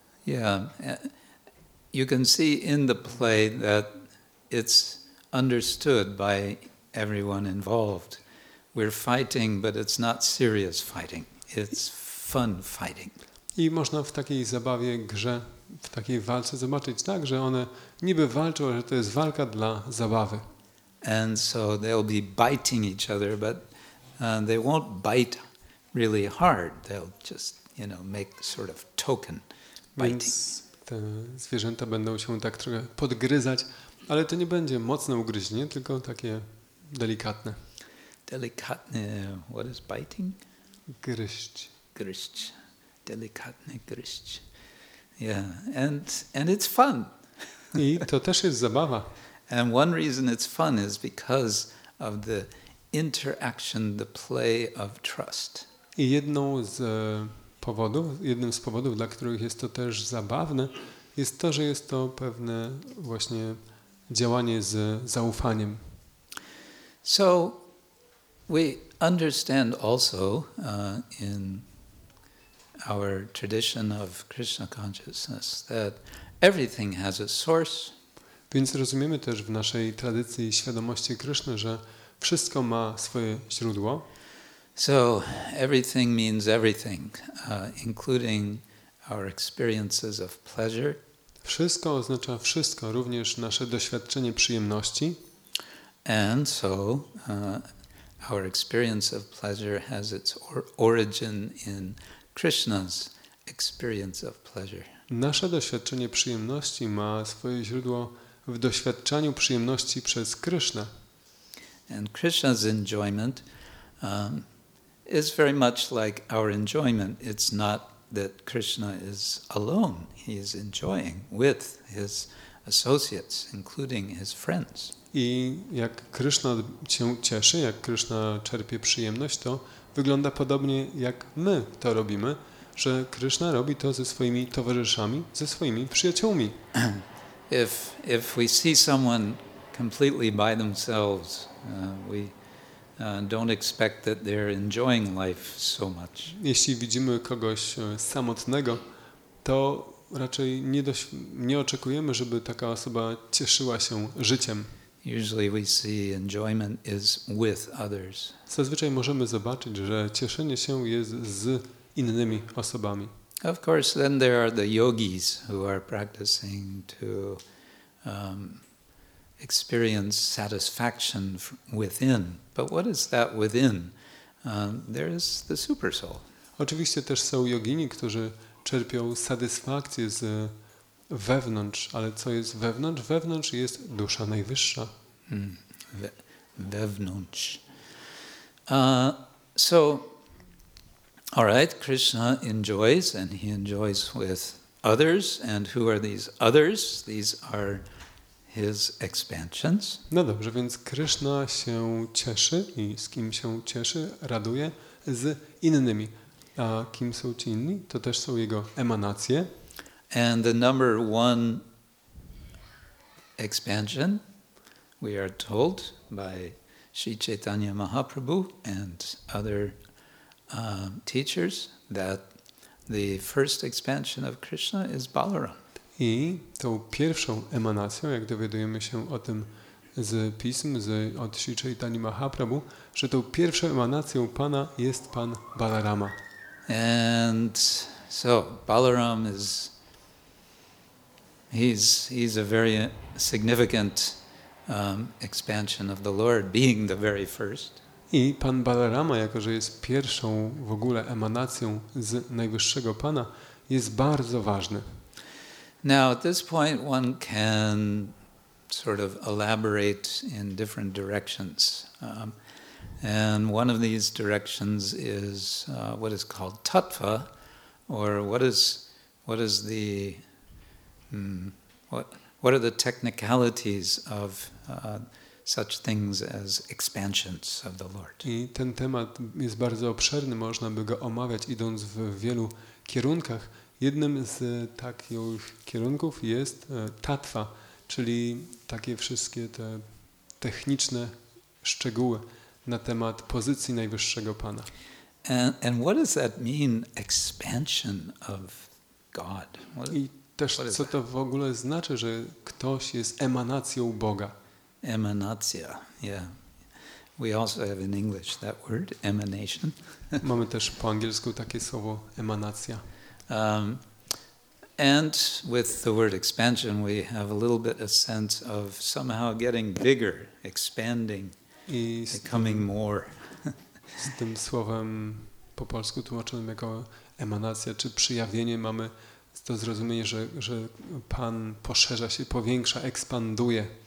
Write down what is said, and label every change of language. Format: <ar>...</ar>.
<en>You can see in the play that it's understood by everyone involved. We're fighting, but it's not serious fighting. It's fun fighting.</en> <pl>I można w takiej zabawie, grze, w takiej walce zobaczyć tak, że one niby walczą, że to jest walka dla zabawy.</pl> <en>And so they'll be biting each other, but they won't bite really hard. They'll just, you know, make sort of token biting.</en> <pl>Więc te zwierzęta będą się tak trochę podgryzać, ale to nie będzie mocne ugryzienie, tylko takie delikatne. Delikatne,</pl> <en>what is biting?</en> <pl>Gryźć. Gryźć. Delikatne gryźć.</pl> <en>Yeah, and it's fun.</en> <pl>I to też jest zabawa.</pl> <en>And one reason it's fun is because of the interaction, the play of trust.</en> <pl>I jedną z powodów, jednym z powodów, dla których jest to też zabawne, jest to, że jest to pewne właśnie działanie z zaufaniem.</pl> <en>So we understand also in our tradition of Krishna consciousness that everything has a source.</en> <pl>Więc rozumiemy też w naszej tradycji świadomości Kryszny, że wszystko ma swoje źródło.</pl> <en>So everything means everything, including our experiences of pleasure.</en> <pl>Wszystko oznacza wszystko, również nasze doświadczenie przyjemności.</pl> <en>And so our experience of pleasure has its origin in Krishna's experience of pleasure.</en> <pl>Nasze doświadczenie przyjemności ma swoje źródło w doświadczaniu przyjemności przez Krishna.</pl> <en>And Krishna's enjoyment is very much like our enjoyment. It's not that Krishna is alone. He is enjoying with his associates, including his friends.</en> <pl>I jak Krishna się cieszy, jak Krishna czerpie przyjemność, to wygląda podobnie jak my to robimy, że Krishna robi to ze swoimi towarzyszami, ze swoimi przyjaciółmi.</pl> <en>If we see someone completely by themselves, we don't expect that they're enjoying life so much.</en> <pl>Jeśli widzimy kogoś samotnego, to raczej nie oczekujemy, żeby taka osoba cieszyła się życiem.</pl> <en>Usually we see enjoyment is with others.</en> <pl>Zazwyczaj możemy zobaczyć, że cieszenie się jest z innymi osobami.</pl> <en>Of course, then there are the yogis who are practicing to experience satisfaction within. But what is that within? There is the super soul.</en> <pl>Oczywiście też są jogini, którzy czerpią satysfakcję z wewnątrz, ale co jest wewnątrz? Wewnątrz jest dusza najwyższa. Wewnątrz.</pl> <en>So, all right, Krishna enjoys, and he enjoys with others. And who are these others? These are his expansions.</en> <pl>No dobrze, więc Krishna się cieszy i z kim się cieszy, raduje z innymi. A kim są ci inni? To też są jego emanacje.</pl> <en>And the number one expansion, we are told by Sri Chaitanya Mahaprabhu and other teachers, that the first expansion of Krishna is Balaram.</en> <pl>I tą pierwszą emanacją, jak dowiadujemy się o tym z pism, od Sri Chaitanya Mahaprabhu, że tą pierwszą emanacją Pana jest Pan Balarama.</pl> <en>And so Balaram is he's a very significant expansion of the Lord, being the very first.</en> <pl>I Pan Balarama, jako że jest pierwszą w ogóle emanacją z Najwyższego Pana, jest bardzo ważny.</pl> <en>Now at this point one can sort of elaborate in different directions. And one of these directions is what is called tattva, or what are the technicalities of such things as expansions of the Lord.</en> <pl>I ten temat jest bardzo obszerny, można by go omawiać idąc w wielu kierunkach. Jednym z takich kierunków jest tattva, czyli takie wszystkie te techniczne szczegóły na temat pozycji Najwyższego Pana.</pl> <en>And what does that mean, expansion of God?</en> <pl>Co to w ogóle znaczy, że ktoś jest emanacją Boga? Emanacja, yeah.</pl> <en>We also have in English that word, emanation.</en> <pl>Mamy też po angielsku takie słowo emanacja.</pl> <en>And with the word expansion, we have a little bit a sense of somehow getting bigger, expanding, becoming more.</en> <pl>Z tym słowem po polsku tłumaczonym jako emanacja czy przyjawienie mamy to zrozumienie, że Pan poszerza się, powiększa, ekspanduje.</pl>